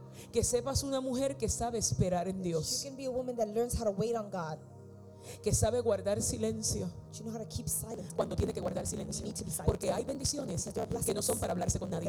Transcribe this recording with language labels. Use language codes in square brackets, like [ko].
[es] que sepas una mujer que sabe esperar en [en] that [es] Dios, [en] you can be a woman that learns how to wait on God. [es] Que sabe guardar silencio. [en] You know how to keep silent. [es] Cuando tiene que guardar silencio. [en] You need to be silent. [es] Porque hay bendiciones que no son para hablarse con nadie.